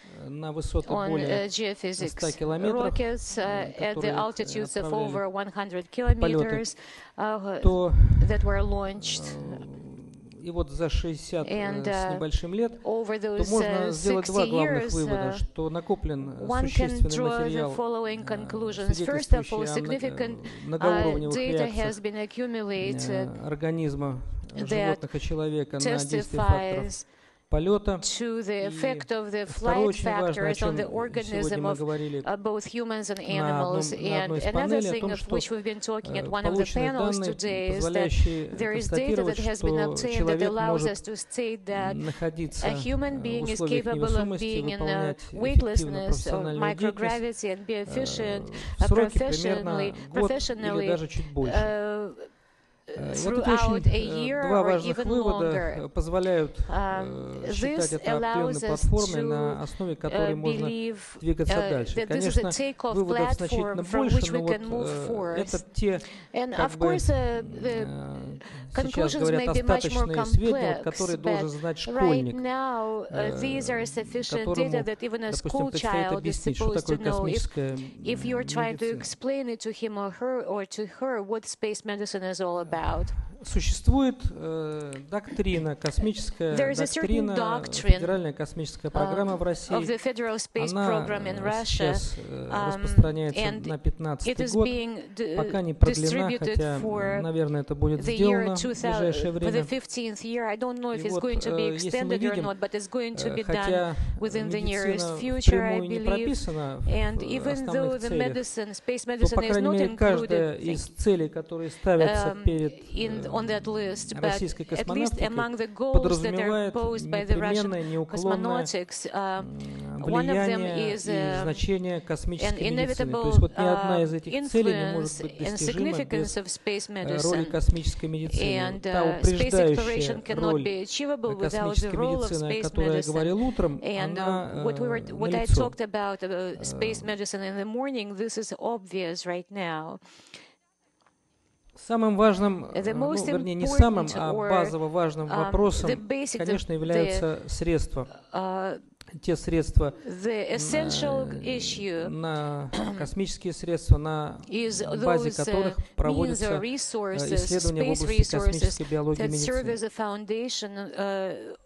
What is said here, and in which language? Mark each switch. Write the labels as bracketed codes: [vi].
[ru] на высоту более 100 километров, [en] rockets, at the altitudes of over 100 kilometers, that were launched. [ru] И вот за 60 с небольшим лет, то можно сделать два главных вывода, что накоплен существенный материал, свидетельствующий о многоуровневых реакциях организма животных и человека на действие факторов полета. [en] To the effect of the flight factors on the organism of both humans and animals. And another thing of which we've been talking at one of the panels today is that there is data that has been obtained that allows us to state that a human being is capable of being in a weightlessness of microgravity and be efficient professionally, [ru] или даже чуть больше. [en] Throughout a year or even longer, this allows us to believe that this is a takeoff platform from which we can move forward. And of course, the conclusions may be much more complex, but right now, these are sufficient data that even a school child is supposed to know if you're trying to explain it to him or her or to her what space medicine is all about. [ru] Существует доктрина, космическая доктрина, федеральная космическая программа в России. [en] Of the Federal Space Program in Russia, [ru] распространяется на 15-й год, пока не продлена, хотя, наверное, это будет сделано в ближайшее время. [en] For the 15th year, I don't know if it's going to be extended or not, but it's going to be done within the nearest future, I believe. And even though the medicine, space medicine is not included, [ru] каждая из целей, которые ставятся перед [en] on that list, but at least among the goals that are posed by the Russian cosmonautics, one of them is an inevitable influence and significance of space medicine. And space exploration cannot be achievable without the role of space medicine. And what I talked about space medicine in the morning, this is obvious right now. [ru] Самым важным, вернее, не самым, а базово важным вопросом, конечно, являются средства. Те средства, на космические средства, на базе которых проводятся исследования в области космической биологии и медицины.